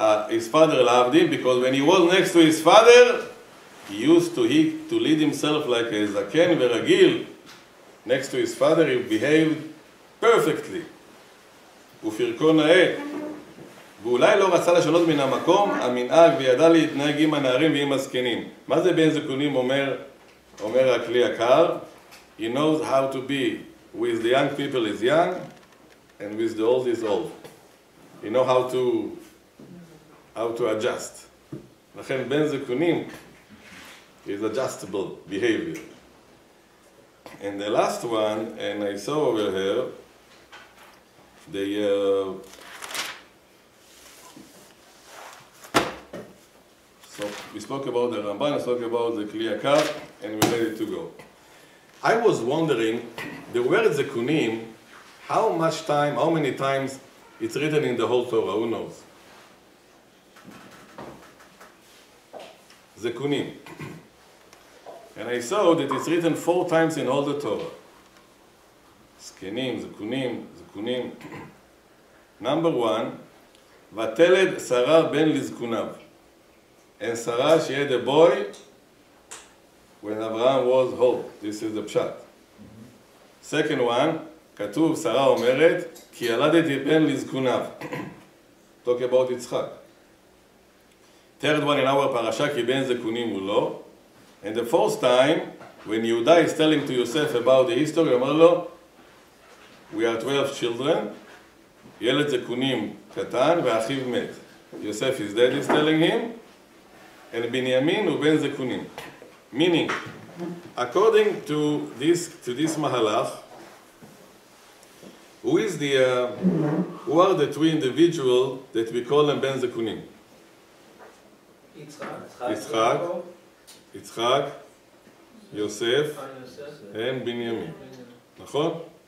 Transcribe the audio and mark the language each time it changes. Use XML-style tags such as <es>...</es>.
<en>His father loved him because when he was next to his father, he used to lead himself like a</en> <he>zaken veragil.</he> <en>Next to his father, he behaved perfectly.</en> <he>ופרקו נאה, ואולי לא רצה לשנות מן המקום, המנהג, וידע להתנהג עם הנערים ועם הזקנים. מה זה בן זקונים אומר הכלי יקר?</he> <en>He knows how to be with the young people is young, and with the old is old. He knows how to adjust.</en> <he>לכן בן זקונים</he> <en>is adjustable behavior. And the last one, and I saw over here, So we spoke about the Ramban, we spoke about the Kli Yakar, and we're ready to go. I was wondering, the word Zekunim, how many times it's written in the whole Torah, who knows? Zekunim. And I saw that it's written four times in all the Torah. Zekunim, Zekunim, Zekunim. Number one,</en> <he>ותלד שרה בן לזקוניו.</he> <en>And שרה, she had a boy when Abraham was old. This is the פשט. Second one,</en> <he>כתוב, שרה אומרת, כי ילדתי בן לזקוניו.</he> <en>Talk about</en> <he>יצחק.</he> <en>Third one, in our parasha,</en> <he>כי בן זקונים הוא לא.</he> <en>And the fourth time, when יהודה is telling to Yosef about the history,</en> <he>אמר לו,</he> <en>we are 12 children,</en> <he>ילד זקונים קטן ואחיו מת.</he> <en>יוסף is dead is telling him, and</en> <he>בנימין הוא בן זקונים.</he> <en>Meaning, according to this מהלך, who are the two individuals that we call them בן זקונים?</en> <he>יצחק. יצחק, יוסף, and בנימין. נכון?</he>